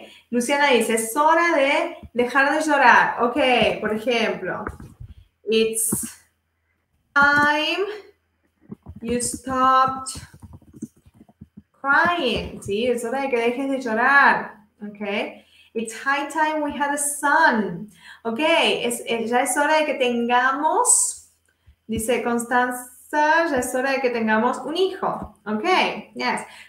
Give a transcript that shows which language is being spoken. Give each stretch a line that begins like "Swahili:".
Spanish: Luciana dice, es hora de dejar de llorar.
English: Ok,
Spanish: por ejemplo,
English: it's time you stopped crying, ¿sí?
Spanish: Es hora de que dejes de llorar, ¿ok?
English: It's high time we had a son, ¿ok?
Spanish: Ya es hora de que tengamos, dice Constance, ya es hora de que tengamos un hijo.
English: Ok, yes.